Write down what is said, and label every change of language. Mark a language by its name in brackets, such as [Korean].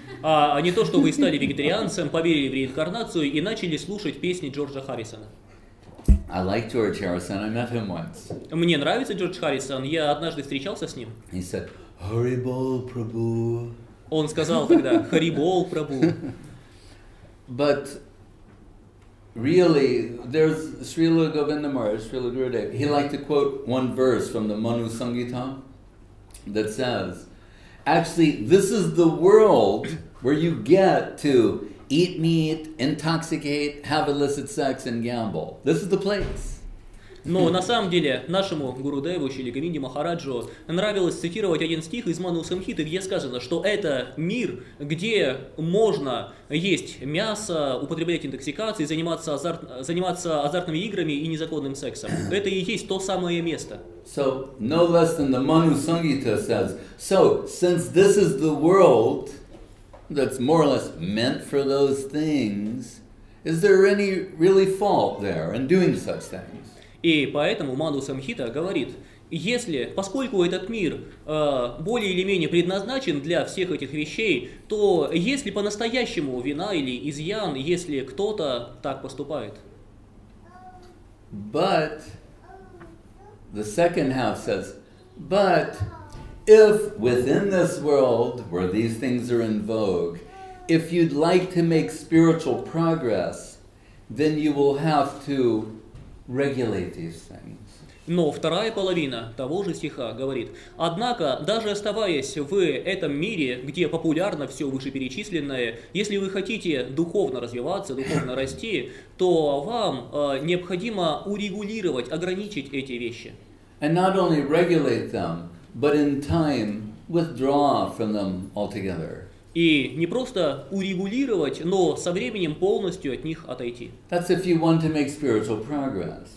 [Russian] А не то, что вы стали вегетарианцем, поверили в реинкарнацию и начали слушать песни Джорджа Харрисона. [English] I like George Harrison. I met him once. [Russian] Мне нравится Джордж Харрисон. Я однажды встречался с ним. [English] He said, "Hari Bol Prabhu." [Russian] Он сказал тогда, "Hari Bol Prabhu." [English] But really, there's Srila Govindamurti, Srila Gurudev. He liked to quote one verse from the Manu Sangita that says, "Actually, this is the world where you get to." Eat meat, intoxicate, have illicit sex and gamble. This is the place. [Russian] Но на самом деле нашему Гурудеву Шри Говинде Махараджу нравилось цитировать один стих из Ману Самхиты, где сказано, что это мир, где можно есть мясо, употреблять интоксикации, заниматься азартными играми и незаконным сексом. Это и есть то самое место. [English] So no less than the Ману Сангита says. So since this is the world. That's more or less meant for those things. Is there any really fault there in doing such things? [Russian] И поэтому Ману Самхита говорит, если, поскольку этот мир более или менее предназначен для всех этих вещей, то есть ли по-настоящему вина или изъян, если кто-то так поступает? [English] But the second half says, but. If within this world, where these things are in vogue, if you'd like to make spiritual progress, then you will have to regulate these things. [Russian] Но вторая половина того же стиха говорит, однако, даже оставаясь в этом мире, где популярно все вышеперечисленное, если вы хотите духовно развиваться, духовно расти, то вам необходимо урегулировать, ограничить эти вещи. [English] And not only regulate them, but in time withdraw from them altogether. [Russian] И не просто урегулировать, но со временем полностью от них отойти. [English] That's if you want to make spiritual progress.